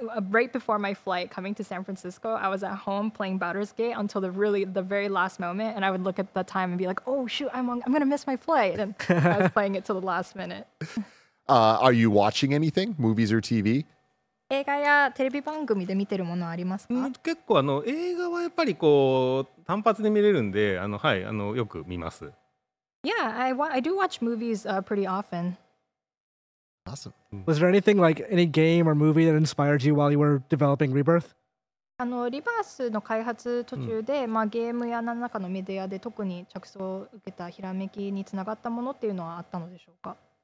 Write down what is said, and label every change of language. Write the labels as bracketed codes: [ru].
[en] Right before my flight coming to San Francisco, I was at home playing Baldur's Gate until the very last moment. And I would look at the time and be like, oh, shoot, I'm going to miss my flight. And I was playing it till the last minute. Are you watching anything? Movies or TV? [ja] 映画やテレビ番組で見てるものありますか？結構映画はやっぱり単発で見れるんで、よく見ます。 [en] Yeah, I do watch movies pretty often. Awesome. Was there anything like any game or movie that inspired you while you were developing Rebirth? [ja] リバースの開発途中で、ゲームや何らかのメディアで特に着想を受けたひらめきにつながったものっていうのはあったのでしょうか？